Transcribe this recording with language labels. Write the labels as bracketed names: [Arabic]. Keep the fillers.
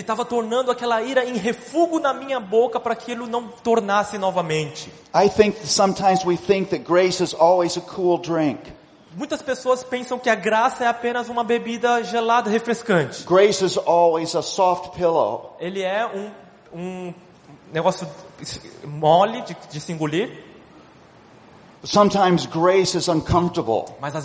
[Portuguese] estava tornando aquela ira em refúgio na minha boca para que ele não tornasse novamente. [English] I think sometimes we think that grace is always a cool drink. [Portuguese] Muitas pessoas pensam que a graça é apenas uma bebida gelada refrescante. [English] Grace is always a soft pillow. [Portuguese] Ele é um um negócio mole de, de se engolir. [English] Sometimes grace is uncomfortable.